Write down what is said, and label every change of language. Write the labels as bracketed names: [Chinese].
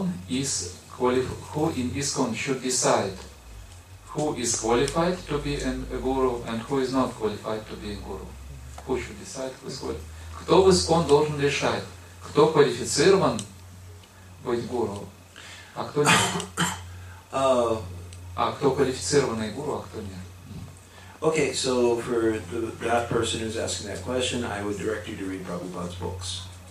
[English] Who in ISKCON should decide who is qualified to be a guru and who is not qualified to be a guru? Who should decide who is qualified? [Russian] Кто в ИСКОН должен решать, кто квалифицирован быть гуру, а кто нет? А кто квалифицированный гуру, а кто нет? [English] Okay, so for that person who's asking that question, I would direct you to read Prabhupada's books.